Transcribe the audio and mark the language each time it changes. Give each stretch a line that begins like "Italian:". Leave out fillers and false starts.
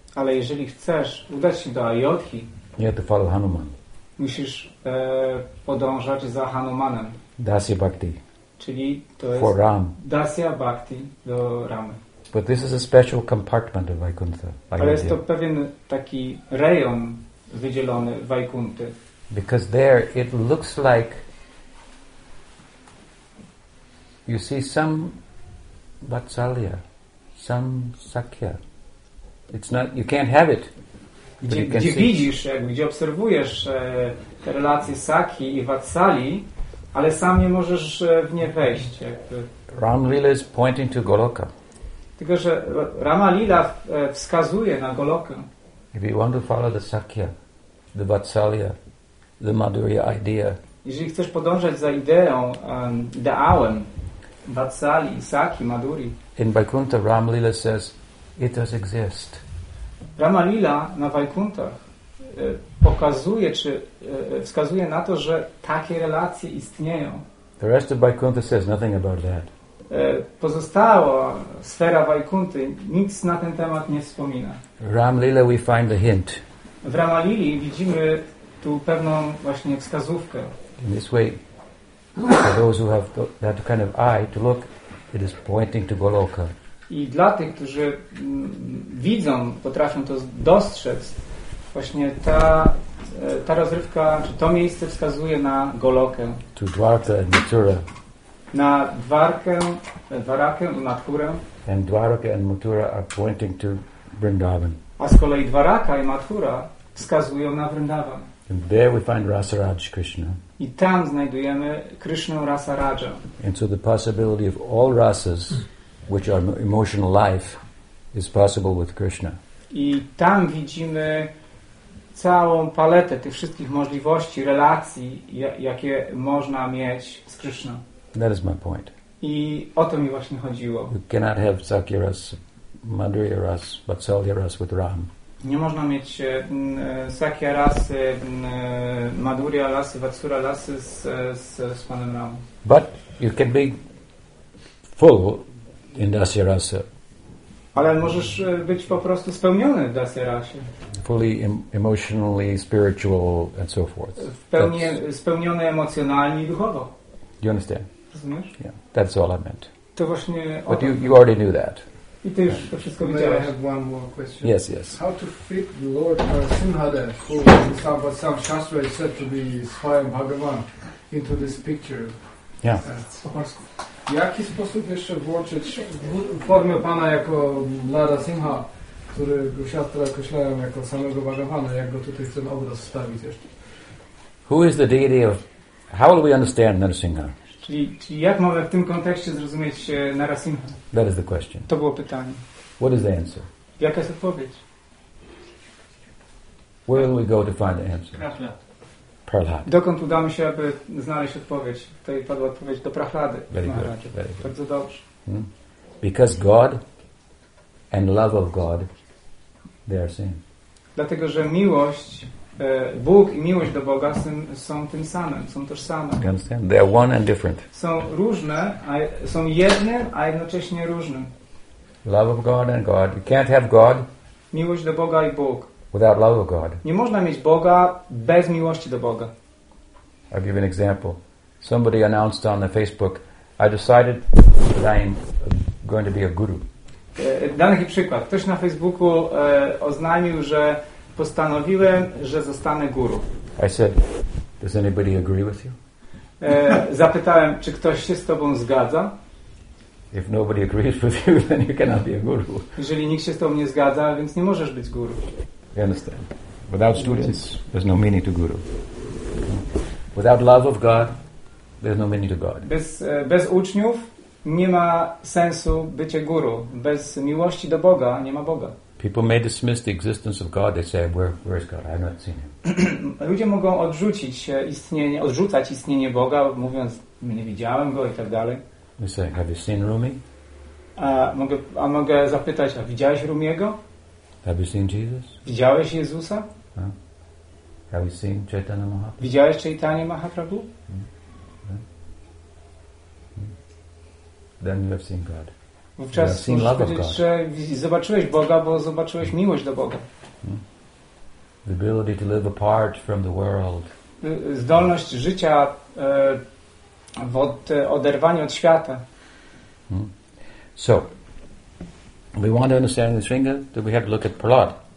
Polish: ale jeżeli chcesz udać się do Ayodhi,
English: you have to follow Hanuman.
Polish: Musisz podążać za Hanumanem.
Sanskrit: Dasya Bhakti.
Polish: Czyli to
English: for
Polish: jest Ram. Dasya Bhakti do Ramy.
English: But this is a special compartment of Vaikuntha.
Polish: Ale jest to pewien taki rejon wydzielony Vaikunthy.
English: Because there it looks like you see some Vatsalya, some Sakya. It's not, you can't have it.
Polish: Gdzie widzisz, gdzie obserwujesz te relacje Sakhi i Vatsali, ale sam nie możesz w nie wejść.
English: Ram Lila is pointing to Goloka.
Polish: Tylko że Rama Lila wskazuje na Golokę.
English: If you want to follow the Sakya, the Vatsalya, the Madhurya idea.
Polish: Jeżeli chcesz podążać za ideą, ideałem Vatsali, Sakhi, Madhuri.
English: In Vaikuntha, Ram Lila says, it does exist.
Polish: Rama Lila na Vaikunthach pokazuje, czy wskazuje na to, że takie relacje istnieją.
English: The rest of Vaikuntha says nothing about that.
Polish: Pozostała sfera Vaikunthy nic na ten temat nie wspomina.
English: Ram Lila we find the hint.
Polish: W Rama Lili widzimy tu pewną właśnie wskazówkę.
English: In this way, for those who have that kind of eye to look, it is pointing to Goloka.
Polish: I dla tych, którzy widzą, potrafią to dostrzec, właśnie ta rozrywka, czy to miejsce wskazuje na Golokę.
English: To Dwarka and Mathura.
Polish: Na Dwarkę, Dwarakę i Mathurę.
English: And Dwarka and Mathura are pointing to Vrindavan.
Polish: A z kolei Dwaraka i Mathura wskazują na Vrindavan.
English: And there we find Rasaraj Krishna.
Polish: I tam znajdujemy Krishna Rasaraja.
English: And so the possibility of all rasas, which are emotional life, is possible with Krishna.
Polish: I tam widzimy całą paletę tych wszystkich możliwości, relacji, jakie można mieć z Krishna.
English: That is my point.
Polish: I o to mi właśnie chodziło.
English: You cannot have Sakyaras, Madhuryaras, Vatsalyaras with Ram.
Polish: Nie można mieć Sakyarasy, Madhuryarasy, Vatsalyarasy z Panem Ram.
English: But you can be full in Dasya Rasa.
Polish: Ale możesz być po prostu spełniony w Dasya Rasie.
English: Fully emotionally, spiritual and so forth.
Polish: W pełni spełniony emocjonalnie i duchowo.
English: Do you understand?
Polish: Rozumiesz?
English: Yeah, that's all I meant.
Polish: To właśnie.
English: But you already knew that.
Polish: I ty już to wszystko widziałeś.
English: May I have one more question? Yes, yes. How to fit the Lord Narasimhadev, who in some Shastra is said to be Swayam Bhagavan, into this picture? Yeah.
Polish: W jaki sposób jeszcze włączyć w formę Pana jako Narasimha który Gosiastra określałem jako samego Bhagavana, jak go tutaj chcemy obraz wstawić jeszcze.
English: Who is the deity of, how will we understand Narasimha?
Polish: Czyli jak mamy w tym kontekście zrozumieć Narasimha?
English: That is the question.
Polish: To było pytanie.
English: What is the answer?
Polish: Jaka jest odpowiedź?
English: Where will we go to find the answer? Prahlad.
Polish: Dokąd udamy się, aby znaleźć odpowiedź? Tutaj padła odpowiedź do Prahlady. Bardzo dobrze.
English: Because God and love of God, they are same.
Polish: Dlatego, że miłość, Bóg i miłość do Boga są tym samym, są tożsame.
English: You understand? They are one and different.
Polish: Są różne, a są jednym, a jednocześnie różnym.
English: Love of God and God. You can't have God.
Polish: Miłość do Boga i Bóg.
English: Without love of God.
Polish: Nie można mieć Boga bez miłości do Boga.
English: I'll give you an example. Somebody announced on the Facebook, I decided that I am going to be a guru.
Polish: Dany przykład. Ktoś na Facebooku oznajmił, że postanowiłem, że zostanę guru.
English: I said, does anybody agree with you?
Polish: Zapytałem, czy ktoś się z tobą zgadza?
English: If nobody agrees with you, then you cannot be a guru.
Polish: Jeżeli nikt się z tobą nie zgadza, więc nie możesz być guru.
English: You understand? Without students, there's no meaning to guru. Without love of God, there's no meaning to God.
Polish: Bez uczniów nie ma sensu bycie guru. Bez miłości do Boga nie ma Boga.
English: People may dismiss the existence of God. They say, "Where is God? I've not seen him."
Polish: Ludzie mogą odrzucać istnienie Boga, mówiąc, nie widziałem go i tak dalej.
English: We say, "Have you seen Rumi?"
Polish: A mogę zapytać, a widziałeś Rumiego?
English: Have you seen Jesus?
Polish: Widziałeś Jezusa?
English: Huh? Have you seen Chaitanya Mahaprabhu?
Polish: Widziałeś Chaitanya Mahaprabhu?
English: Then you have seen God.
Polish: Wówczas
English: you have seen love of God.
Polish: Że zobaczyłeś Boga, bo zobaczyłeś miłość do Boga.
English: The ability to live apart from the world.
Polish: Zdolność życia w oderwaniu od świata.
English: So, we want to understand the Nrsimha, then we have to look at Prahlad.